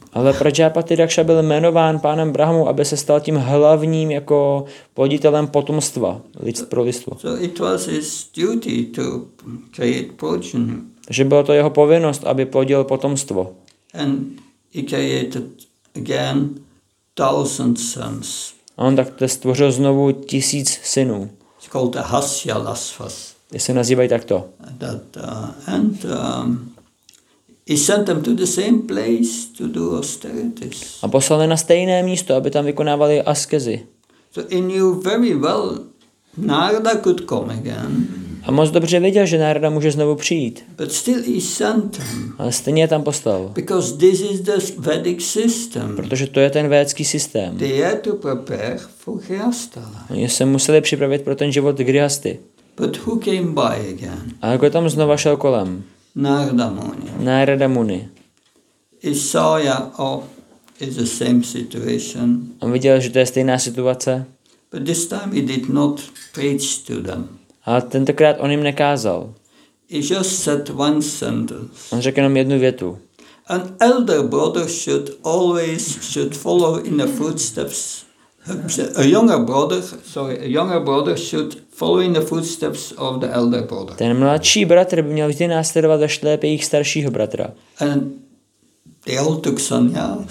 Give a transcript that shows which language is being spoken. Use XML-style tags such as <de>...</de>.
<cs>Ale Prajapati Daksha byl jmenován pánem Brahmou, aby se stal tím hlavním jako poditelem potomstva pro lidstvo.</cs> <en>So it was his duty to create progeny.</en> <cs>Takže bylo to jeho povinnost, aby plodil potomstvo.</cs> <en>And he created again thousand sons.</en> <cs>A on tak stvořil znovu tisíc synů.</cs> <en>It's called the Hasya Lasvas.</en> <cs>Je se nazývají takto.</cs> <en>That, and he sent them to the same place to do austerities.</en> <cs>A poslal je na stejné místo, aby tam vykonávali askezi.</cs> <en>So he knew very well Narada could come again.</en> <cs>A moc dobře věděl, že Narada může znovu přijít.</cs> <en>But still he sent him.</en> <cs>Ale stejně je tam postal.</cs> <en>Because this is the Vedic system.</en> <cs>Protože to je ten védský systém.</cs> <en>They had to prepare for Grihastha.</en> <cs>Oni se museli připravit pro ten život Grihasty.</cs> <en>But who came by again?</en> <cs>A kdo tam znova šel kolem?</cs> <en>Narada Muni.</en> <cs>Narada Muni.</cs> <en>He saw, yeah, oh, it's the same situation.</en> <cs>On viděl, že to je stejná situace.</cs> <en>But this time he did not preach to them.</en> <cs>A tentokrát on jim nekázal.</cs> <en>He just said one sentence.</en> <cs>On řekl jenom jednu větu.</cs> <en>An elder brother should always should follow in the footsteps. A younger brother should follow in the footsteps of the elder brother.</en> <cs>Ten mladší bratr by měl vždy následovat ve šlépě jejich staršího bratra.</cs> <en>And they all took sannyas.</en>